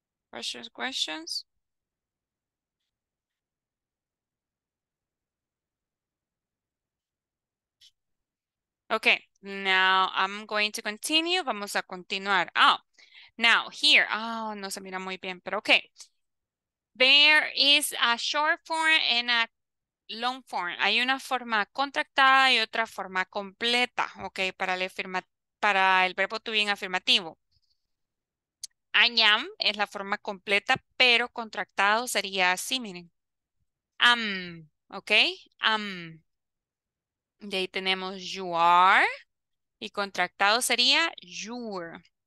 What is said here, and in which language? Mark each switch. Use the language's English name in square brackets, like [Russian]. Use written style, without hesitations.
[English] Questions. Okay, now I'm going to continue. [Spanish] Vamos a continuar. [English] Oh, now here. [Spanish] Oh, no se mira muy bien, pero okay. [English] There is a short form and a long form. [Spanish] Hay una forma contractada y otra forma completa, okay, para el verbo to be en afirmativo. I am es la forma completa, pero contractado sería así, miren. Am, ok, am. De ahí tenemos you are, y contractado sería your.